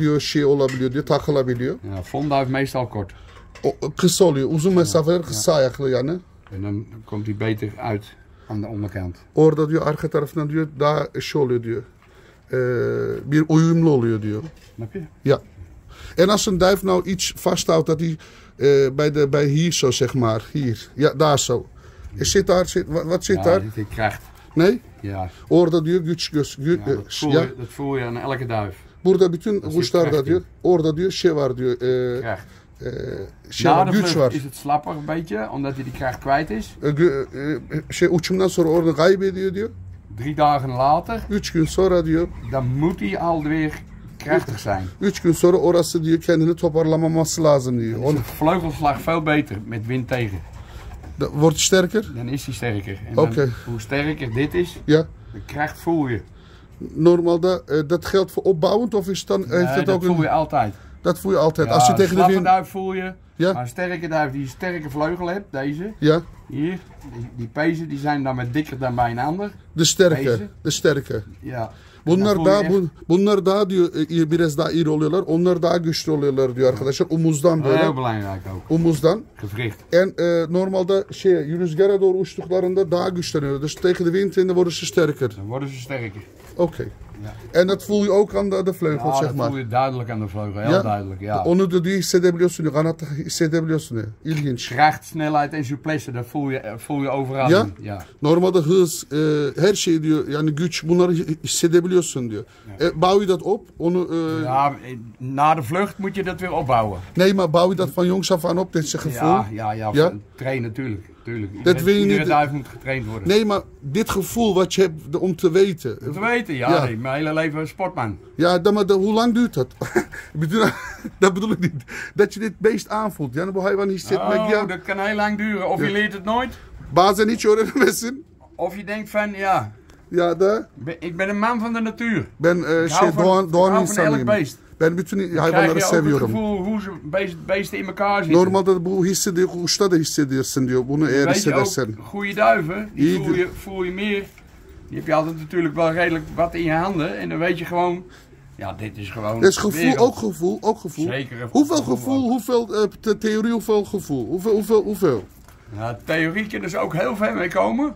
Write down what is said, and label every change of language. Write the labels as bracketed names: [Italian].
[Turkish] Diyor şey olabiliyor diyor, takılabiliyor. [Dutch] Ja, fondduif meestal kort. [Turkish] O, kısa oluyor, uzun mesafeler, kısa ayaklı yani. [Dutch] En dan komt hij beter uit aan de onderkant. [Turkish] Orada diyor, arka tarafından diyor, daha şey oluyor diyor. Bir uyumlu oluyor diyor. [Dutch] Snap je? Ja. En als een duif nou iets vasthoudt dat hij bij hier zo, zeg maar, hier. Ja, daar zo. Ja. Zit daar, wat zit ja, daar? Ja, die kracht. Nee? Ja. [Turkish] Orada diyor, güç, güç, güç. [Dutch] Ja, dat voel je aan elke duif. [Turkish] Burada bütün kuşlarda diyor, orada diyor, şey var diyor. [Dutch] Kracht. Nadervlucht is het slapper een beetje, omdat hij die kracht kwijt is. [Turkish] Uçumdan sonra orada kaybediyor diyor. [Dutch] Drie dagen later. [Turkish] Üç gün sonra diyor. [Dutch] Dan moet hij alweer krachtig zijn. [Turkish] Üç gün sonra orası diyor kendini toparlamaması lazım diyor. [Dutch] Dan is de vleugelslag veel beter met wind tegen. Wordt hij sterker? Dan is hij sterker. Oké. Okay. Hoe sterker dit is, ja. De kracht voel je. Normaal dat geldt voor opbouwend of is het dan? Nee, dat ook voel je altijd. Dat voel je altijd. Ja, als je tegen de wind... duif voel je. Ja? Maar een sterke duif die een sterke vleugel hebt, deze. Ja. Hier. Die pezen die zijn dan met dikker dan bij een ander. De sterke. Pezen. De sterke. Ja. [Turkish] Bunlar da, bunlar da diyor, biraz daha iri oluyorlar. Onlar daha güçlü oluyorlar diyor arkadaşlar. Omuzdan böyle. [Dutch] Heel belangrijk ook. [Turkish] Omuzdan. [Dutch] Gevricht. [Turkish] En normalde şey, rüzgara doğru uçtuklarında daha güçleniyor. [Dutch] Dus tegen de wind in de worden ze sterker. Dan worden ze sterker. Oké. Okay. Ja. En dat voel je ook aan de vleugel, ja, zeg maar. Ja, dat voel je duidelijk aan de vleugel, heel ja? Duidelijk, ja. [Turkish] Onu da diye hissedebiliyorsun, kanatta hissedebiliyorsun. İlginç. [Dutch] Kracht, snelheid en souplesse, dat voel je overal. Ja? Ja. [Turkish] Normalde hız, her şey diyor, yani güç, bunları hissedebiliyorsun diyor. [Dutch] Ja. Bouw je dat op? [Turkish] Onu, [Dutch] ja, na de vlucht moet je dat weer opbouwen. Nee, maar bouw je dat van jongs af aan op, dit gevoel? Ja. Trainen, natuurlijk. Tuurlijk, dat iedere niet, duif moet getraind worden. Nee, maar dit gevoel wat je hebt om te weten. Om te weten, ja. Mijn hele leven sportman. Ja, maar hoe lang duurt dat? Dat bedoel ik niet. Dat je dit beest aanvoelt. Ja, oh, dat kan heel lang duren. Of je leert het nooit. Bazen niet, hoor, mensen. Of je denkt van, ja. Ja, daar. Ik ben een man van de natuur. Ben, ik hou van elk beest. [Turkish] Ben bütün hayvanları seviyorum. [Dutch] Krijg je ook het gevoel hoe beesten in elkaar zitten. [Turkish] Normalde bu hissediyor, kuşta da hissediyorsun diyor. Bunu eğer hissedersen. [Dutch] Weet je ook, goede duiven, die voel je meer. Die heb je altijd natuurlijk wel redelijk wat in je handen. En dan weet je gewoon, ja, dit is gewoon... Dus gevoel, ook gevoel, ook gevoel. Zeker. Hoeveel gevoel, hoeveel theorie, hoeveel gevoel? Hoeveel? Ja, theorie kunnen ze ook heel ver mee komen.